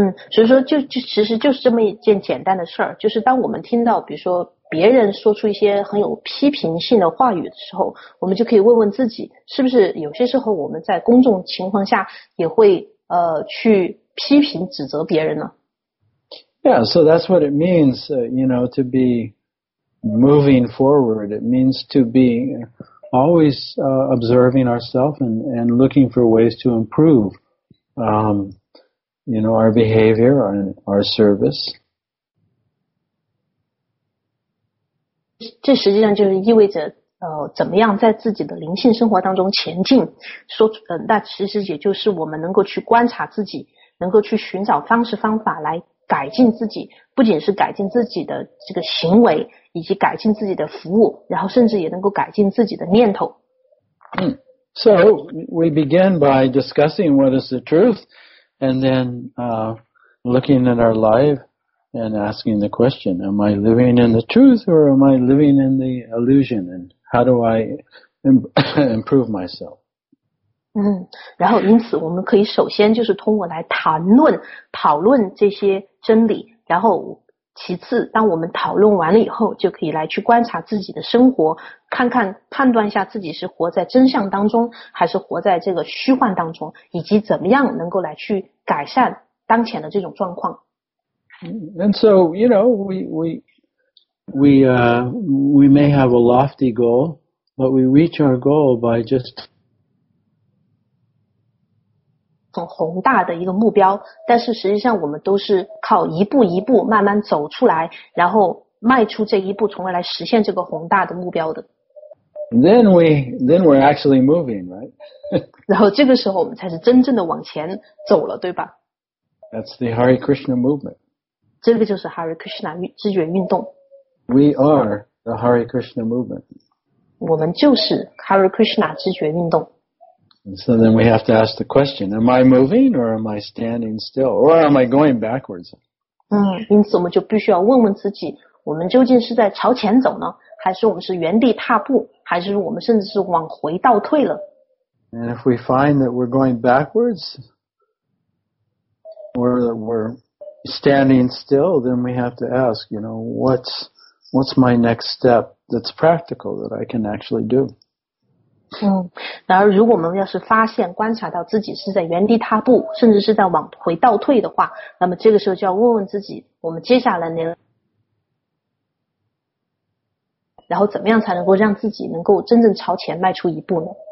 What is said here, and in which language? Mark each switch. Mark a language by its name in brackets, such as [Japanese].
[Chinese] 所以说就其实就是这么一件简单的事儿，就是当我们听到比如说别人说出一些很有批评性的话语的时候，我们就可以问问自己，是不是有些时候我们在公众情况下也会去批评指责别人呢？ [English] Yeah, so that's what it means, to be moving forward. It means to be always observing ourselves and looking for ways to improve, you know, our behavior and our service. [Chinese] 这实际上就是意味着，怎么样在自己的灵性生活当中前进？说，那其实也就是我们能够去观察自己，能够去寻找方式方法来改进自己，不仅是改进自己的这个行为，以及改进自己的服务，然后甚至也能够改进自己的念头。 [English] So we begin by discussing what is the truth, and then looking at our life. And asking the question, am I living in the truth or am I living in the illusion? And how do I improve myself? [Chinese] 然后因此我们可以首先就是通过来讨论这些真理，然后其次当我们讨论完了以后，就可以来去观察自己的生活，看看判断一下自己是活在真相当中，还是活在这个虚幻当中，以及怎么样能够来去改善当前的这种状况。 [English] And so, you know, we may have a lofty goal, but we reach our goal by just [Chinese] 从宏大的一个目标，但是实际上我们都是靠一步一步慢慢走出来，然后迈出这一步，从而来实现这个宏大的目标的。 [English] Then we're actually moving, right? [Chinese] 然后这个时候我们才是真正的往前走了，对吧？ [English] That's the Hare Krishna movement. [Chinese] 这个就是 Hare Krishna 支援运动。 [English] We are the Hare Krishna movement. [Chinese] 我们就是 Hare Krishna 支援运动。 [English] So then we have to ask the question, am I moving or am I standing still? Or am I going backwards? [Chinese] 因此我们就必须要问问自己，我们究竟是在朝前走呢？还是我们是原地踏步？还是我们甚至是往回倒退了？ [English] And if we find that we're going backwards, or that we're... Standing still, then we have to ask, you know, what's my next step that's practical that I can actually do? [Chinese] 然后如果我们要是发现观察到自己是在原地踏步，甚至是在往回倒退的话，那么这个时候就要问问自己，我们接下来能，然后怎么样才能够让自己能够真正朝前迈出一步呢？